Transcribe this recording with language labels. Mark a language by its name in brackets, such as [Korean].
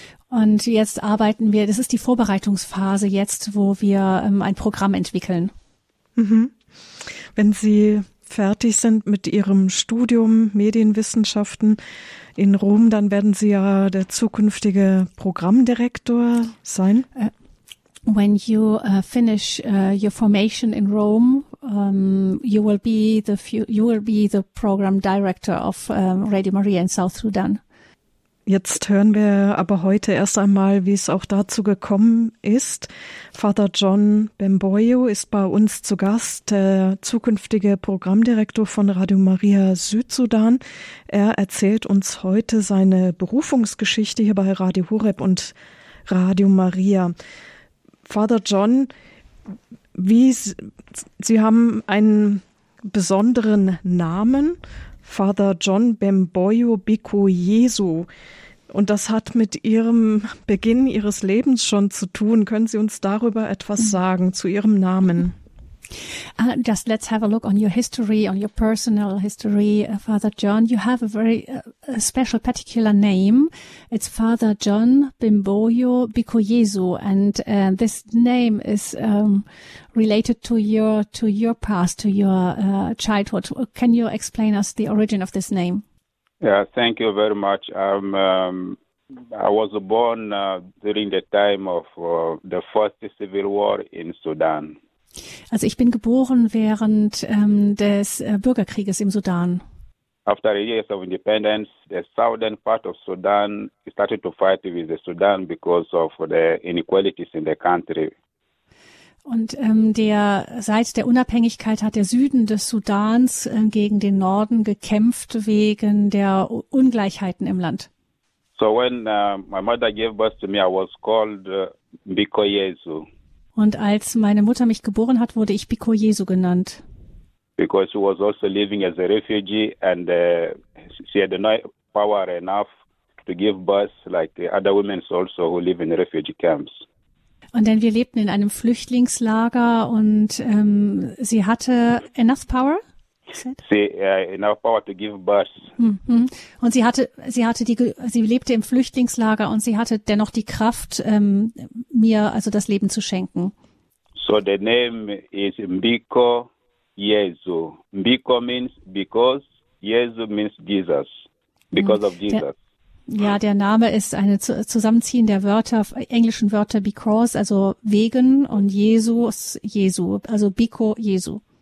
[German] Und jetzt arbeiten wir, das ist die Vorbereitungsphase jetzt, wo wir ein Programm entwickeln. Wenn Sie fertig sind mit Ihrem Studium Medienwissenschaften in Rom, dann werden Sie ja der zukünftige Programmdirektor sein. [English] When you finish your formation in Rome, you will be the program director of Radio Maria in South Sudan. [German] Jetzt hören wir aber heute erst einmal, wie es auch dazu gekommen ist. Father John Bemboyo ist bei uns zu Gast, der zukünftige Programmdirektor von Radio Maria Südsudan. Er erzählt uns heute seine Berufungsgeschichte hier bei Radio Horeb und Radio Maria. Father John, Sie haben einen besonderen Namen, Father John Bemboyo Biko Jesu. Und das hat mit Ihrem Beginn Ihres Lebens schon zu tun. Können Sie uns darüber etwas sagen, zu Ihrem Namen? [English] Just let's have a look on your history, on your personal history, Father John. You have a very special particular name. It's Father John Bemboyo Biko Jesu. And this name is related to your past, to your childhood. Can you explain us the origin of this name? Yeah, thank you very much. I was born during the time of the first civil war in Sudan. [German] Also ich bin geboren während des Bürgerkrieges im Sudan. [English] After the years of independence, the southern part of Sudan started to fight with the Sudan because of the inequalities in the country. [German] Und seit der Unabhängigkeit hat der Süden des Sudans gegen den Norden gekämpft wegen der Ungleichheiten im Land. [English] So when my mother gave birth to me, I was called Biko Jesu. [German] Und als meine Mutter mich geboren hat, wurde ich Biko Jesu genannt. [English] Because she was also living as a refugee and she had no power enough to give birth like the other women also who live in refugee camps. [German] Und denn wir lebten in einem Flüchtlingslager und sie hatte [English] enough power? Enough power to give birth. [German] Und sie lebte im Flüchtlingslager und sie hatte dennoch die Kraft, mir also das Leben zu schenken. [English] So the name is Mbiko Jesu. Mbiko means because, Jesu means Jesus, because of Jesus. [German] Ja, der Name ist eine Zusammenziehen der Wörter, englischen Wörter because, also wegen, und Jesus, Jesu, also Biko Jesu.